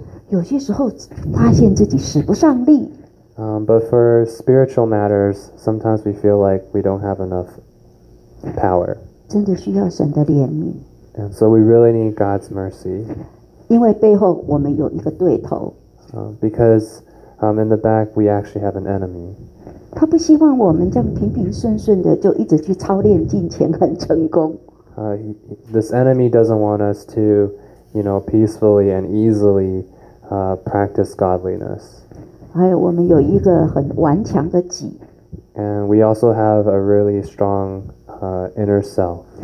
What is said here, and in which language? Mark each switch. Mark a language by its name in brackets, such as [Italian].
[Chinese] 可是为了这个属灵生命的事，有些时候发现自己使不上力。 [English] But for spiritual matters, sometimes we feel like we don't have enough power. [Chinese] 真的需要神的怜悯。 [English] And so we really need God's mercy. [Chinese] 因为背后我们有一个对头。 [English] Because in the back we actually have an enemy. [Chinese] 他不希望我们这样平平顺顺的就一直去操练进前很成功。 [English] This enemy doesn't want us to, you know, peacefully and easily practice godliness. [Chinese] 还有我们有一个很顽强的己。 [English] And we also have a really strong inner self.